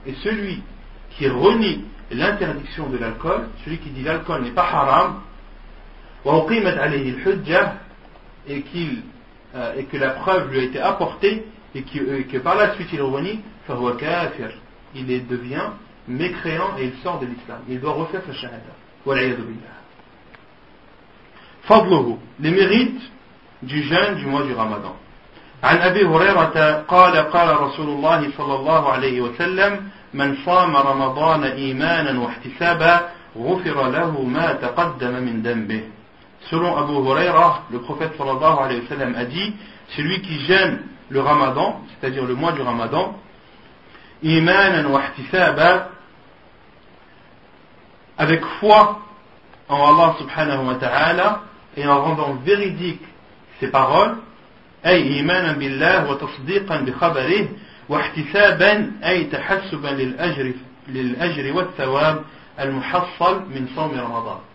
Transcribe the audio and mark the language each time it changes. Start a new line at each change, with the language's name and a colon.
French: Et celui qui renie l'interdiction de l'alcool, celui qui dit l'alcool n'est pas haram,
Arabic: وَأُقِيمَتْ عَلَيْهِ الْحُجَّةِ
French: et que la preuve lui a été apportée et que par la suite il renie,
Arabic: فَهُوَ كَافِرْ
French: il devient mécréant et il sort de l'islam. Il doit refaire sa shahada.
Arabic: وَلَعِيَذُ بِاللَّهِ فَضْلُهُ
French: les mérites du jeûne du mois du ramadan.
Arabic: عَنْ أَبِي هُرَيْرَةَ قَالَ رَسُولُ اللَّهِ صَلَى اللَّهُ عَلَيْهِ وَسَلَّمْ من صام رمضان إيمانا واحتسابا غفر له ما تقدم من ذنبه.
French: Selon Abu Huraira, le prophète sallallahu alayhi wa sallam a dit, celui qui jeûne le ramadan, c'est-à-dire le mois du ramadan,
Arabic: إيمانا واحتسابا,
French: avec foi en Allah subhanahu wa ta'ala, et en rendant véridique ses paroles,
Arabic: أي إيمانا بالله وتصديقا بخبره, واحتسابا أي تحسبا للأجر والثواب المحصل من صوم رمضان.